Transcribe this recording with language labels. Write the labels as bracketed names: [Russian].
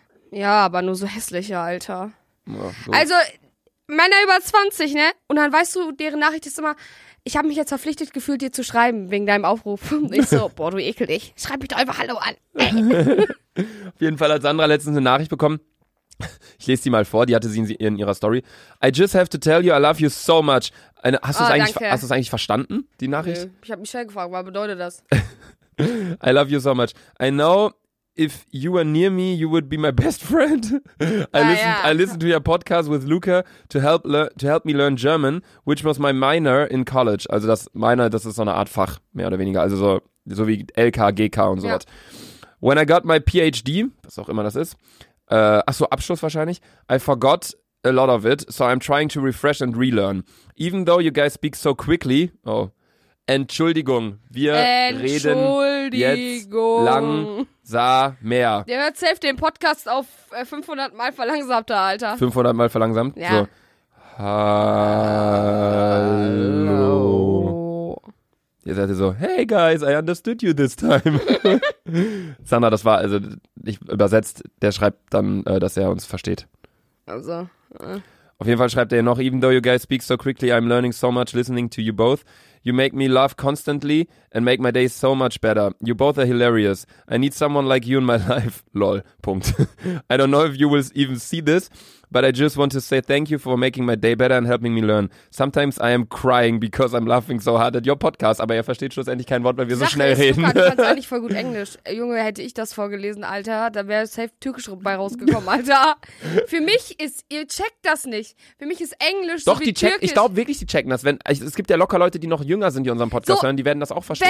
[German] Ja, aber nur so hässliche, Alter. Also, Männer über 20, ne? Und dann weißt du, deren Nachricht ist immer... Ich habe mich jetzt verpflichtet gefühlt, dir zu schreiben, wegen deinem Aufruf. Ich so, boah, du ekel dich. Schreib mich doch einfach Hallo an. Auf jeden Fall hat Sandra letztens eine Nachricht bekommen. Ich lese sie mal vor, die hatte sie in ihrer Story. [English] I just have to tell you, I love you so much. [German] Hast du es eigentlich verstanden, die Nachricht? Nee. Ich habe Michelle gefragt, was bedeutet das? [English] I love you so much. I know if you were near me, you would be my best friend. I listened to your podcast with Luca to help me learn German, which was my minor in college. [German] Also das Minor, das ist so eine Art Fach, mehr oder weniger. Also so wie LK, GK und sowas. Ja. [English] When I got my PhD, [German] was auch immer das ist, Abschluss wahrscheinlich. [English] I forgot a lot of it, so I'm trying to refresh and relearn. Even though you guys speak so quickly, [German] Entschuldigung, wir reden jetzt langsamer. Der hört safe den Podcast auf 500 Mal verlangsamter, Alter. 500 Mal verlangsamt? Ja. So. Hallo. Jetzt seid ihr so, [English] hey guys, I understood you this time. [German] Sandra, das war, also, nicht übersetzt, der schreibt dann, dass er uns versteht. Also. Auf jeden Fall schreibt er noch, [English] even though you guys speak so quickly, I'm learning so much listening to you both. You make me laugh constantly and make my day so much better. You both are hilarious. I need someone like you in my life. Lol. Punkt. I don't know if you will even see this, but I just want to say thank you for making my day better and helping me learn. Sometimes I am crying because I'm laughing so hard at your podcast. [German] Aber er versteht schlussendlich kein Wort, weil wir so schnell reden. Super, du kannst eigentlich voll gut Englisch. Junge, hätte ich das vorgelesen, Alter, da wäre safe Türkisch bei rausgekommen, Alter. Für mich ist, ihr checkt das nicht. Für mich ist Englisch doch, so wie Türkisch. Ich glaube wirklich, die checken das. Es gibt ja locker Leute, die noch jünger sind, die unseren Podcast hören, die werden das auch verstehen.